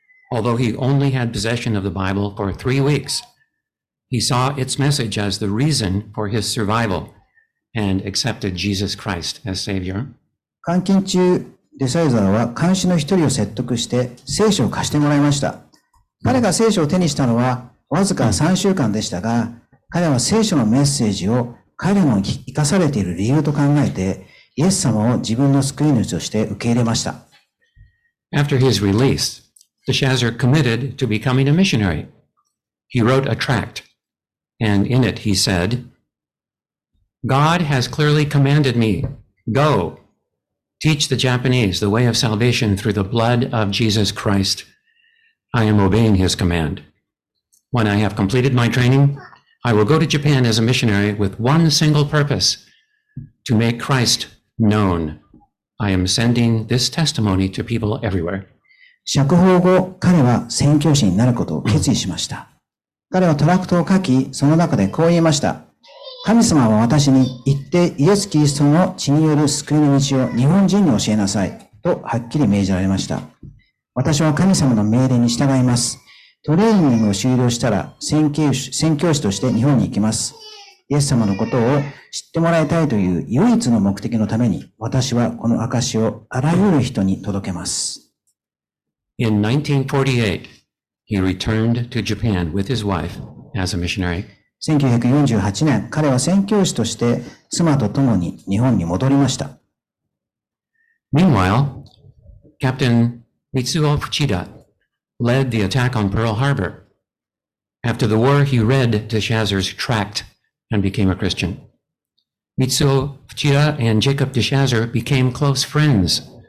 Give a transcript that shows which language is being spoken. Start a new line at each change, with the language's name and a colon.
English: Although he only had possession of the Bible for 3 weeks, he saw its message as the reason for his survival and accepted Jesus Christ as Savior.
Japanese: 監禁中、デサイザーは監視の一人を説得して聖書を貸してもらいました。彼が聖書を手にしたのはわずか3週間でしたが、彼は聖書のメッセージを彼の生かされている理由と考えて、イエス様を自分の救い主として受け入れました。
English: After his release, DeShazer committed to becoming a missionary. He wrote a tract, and in it he said, God has clearly commanded me, go! Teach the Japanese the way of salvation through the blood of Jesus Christ. I am obeying his command. When I have completed my training, I will go to Japan as a missionary with one single purpose, to make Christ known. I am sending this testimony to people everywhere.
Japanese: 釈放後、彼は宣教師になることを決意しました。彼はトラクトを書き、その中でこう言いました。神様は私に言ってイエス・キリストの血による救いの道を日本人に教えなさいとはっきり命じられました。私は神様の命令に従います。トレーニングを終了したら宣教師として日本に行きます。イエス様のことを知ってもらいたいという唯一の目的のために私はこの証をあらゆる人に届けます。
English: In 1948, he returned to Japan with his wife as a missionary.
Japanese: 1948年、彼は宣教師として妻と共に日本に戻りました。
English: Meanwhile, Captain Mitsuo Fuchida led the attack on Pearl Harbor. After the war, he read DeShazer's tract and became a Christian. Mitsuo Fuchida and Jacob DeShazer became close friends.